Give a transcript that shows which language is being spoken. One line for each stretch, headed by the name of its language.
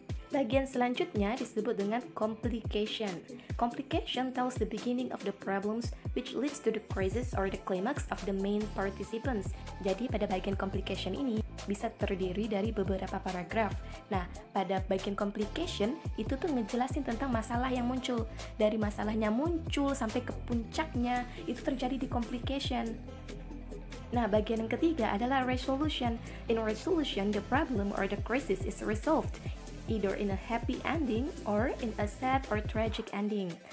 Indonesian: Bagian selanjutnya disebut dengan complication.
English: Complication tells the beginning of the problems which leads to the crisis or the climax of the main participants.
Indonesian: Jadi pada bagian complication ini bisa terdiri dari beberapa paragraf. Nah, pada bagian complication itu tuh ngejelasin tentang masalah yang muncul. Dari masalahnya muncul sampai ke puncaknya itu terjadi di complication. Nah, bagian yang ketiga adalah resolution.
English: In resolution, the problem or the crisis is resolved, either in a happy ending or in a sad or tragic ending.